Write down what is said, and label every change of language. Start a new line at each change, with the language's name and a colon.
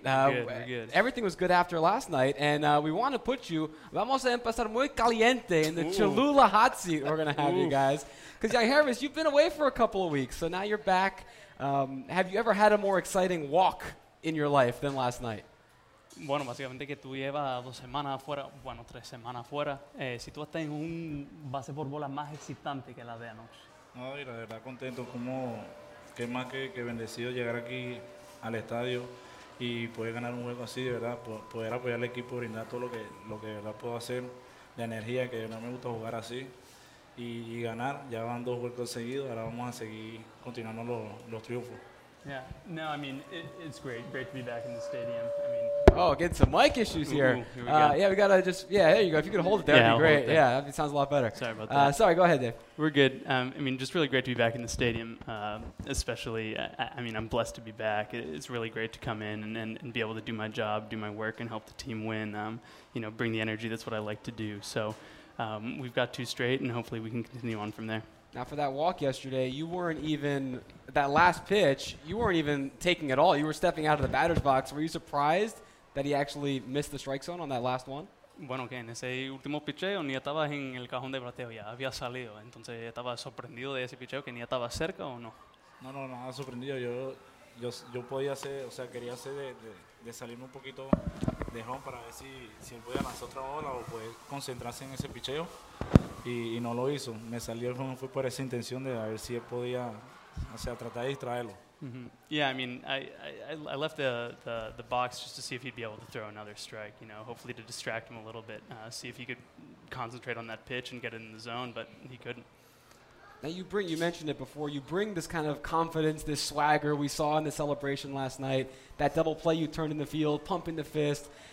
English: We're good. Everything was good after last night, and we want to put you,
Spanish: vamos a empezar muy caliente
English: in the Ooh. Cholula hot seat we're going to have you guys. Because, Yangervis, you've been away for a couple of weeks, so now you're back. Have you ever had a more exciting walk in your life than last night?
Spanish: Bueno, básicamente que tú llevas dos semanas afuera, bueno, tres semanas afuera. Si tú estás en un base por bola más excitante que la de anoche. No, y la verdad, contento. Como, qué más que bendecido llegar aquí al estadio y poder ganar un juego así, de verdad, poder apoyar al equipo, brindar todo lo que de verdad puedo hacer, de energía, que de verdad me gusta jugar así y ganar. Ya van dos juegos seguidos, ahora vamos a seguir continuando los triunfos.
English: Yeah, no, I mean, it's great to be back in the stadium. I mean, oh, getting some mic issues here. Here we gotta just, yeah, there you go. If you could hold it there, yeah, that'd be great. Yeah, that sounds a lot better. Sorry about that. Sorry, go ahead, Dave. We're good. I mean, just really great to be back in the stadium, especially, I mean, I'm blessed to be back. It's really great to come in and be able to do my job, do my work, and help the team win, you know, bring the energy. That's what I like to do. So we've got two straight, and hopefully we can continue on from there. Now, for that walk yesterday, you weren't even – that last pitch, you weren't even taking at all. You were stepping out of the batter's box. Were you surprised that he actually missed the strike zone on that last one?
Spanish: Bueno, que en ese último picheo ni estaba en el cajón de bateo ya, había salido. Entonces estaba sorprendido de ese picheo que ni estaba cerca o no. No, nada sorprendido. Yo podía hacer, o sea, quería hacer de salirme un poquito de home para ver si él podía lanzar otra bola o poder concentrarse en ese picheo y no lo hizo. Me salió el home fue por esa intención de a ver si él podía, o sea, tratar de distraerlo. Mm-hmm.
English: Yeah, I mean, I left the box just to see if he'd be able to throw another strike, you know, hopefully to distract him a little bit, see if he could concentrate on that pitch and get in the zone, but he couldn't. Now you mentioned it before, you bring this kind of confidence, this swagger we saw in the celebration last night, that double play you turned in the field, pumping the fist.